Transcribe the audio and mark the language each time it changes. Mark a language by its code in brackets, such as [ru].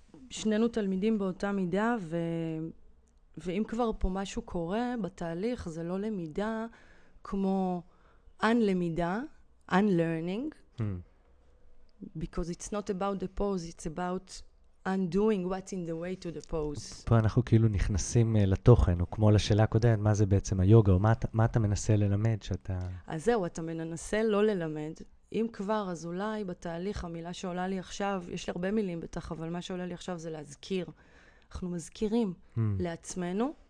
[he] ושנינו תלמידים באותה מידה ו... ואם כבר פה משהו קורה בתהליך, זה לא למידה כמו [en] unlimida, unlearning, because it's not about the pose, it's about undoing what's in the way to the pose. [he] פה אנחנו כאילו נכנסים לתוכן, או כמו לשאלה הקודמת, מה זה בעצם היוגה, או מה אתה מנסה ללמד שאתה... אז זהו, אתה מנסה לא ללמד. אם כבר, אז אולי בתהליך המילה שעולה לי עכשיו, יש לי הרבה מילים בטח, אבל מה שעולה לי עכשיו זה להזכיר. אנחנו מזכירים לעצמנו.